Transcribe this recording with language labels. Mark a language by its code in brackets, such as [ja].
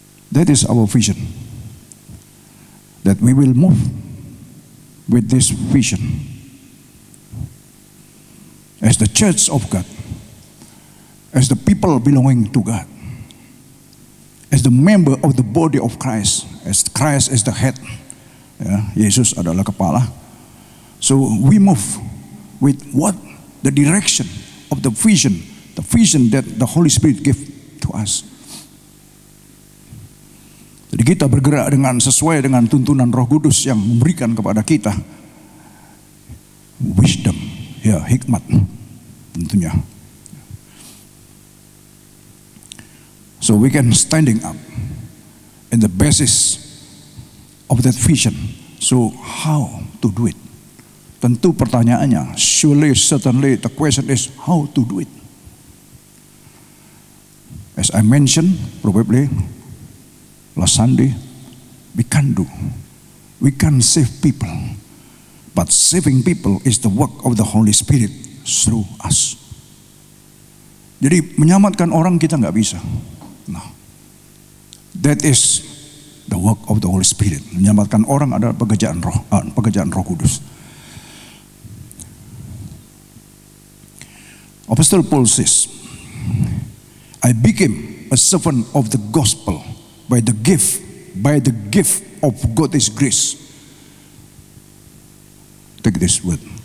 [en] That is our vision, that we will move with this vision as the church of God, as the people belonging to God, as the member of the body of Christ, as Christ is the head. [id] Yeah, Jesus adalah kepala. [en] So we move with what the direction of the vision that the Holy Spirit gave to us. [id] Jadi kita bergerak dengan sesuai dengan tuntunan Roh Kudus yang memberikan kepada kita wisdom, ya, hikmat tentunya. [en] So we can standing up in the basis of that vision. So how to do it? [id] Tentu pertanyaannya, [en] surely, certainly, the question is how to do it. As I mentioned, probably last Sunday, we can do. We can save people, but saving people is the work of the Holy Spirit through us. [id] Jadi menyelamatkan orang kita nggak bisa. [en] No. That is the work of the Holy Spirit. [id] Menyelamatkan orang adalah pekerjaan Roh Kudus. [en] Apostle Paul says, I became a servant of the gospel by the gift of God's grace. Take this word.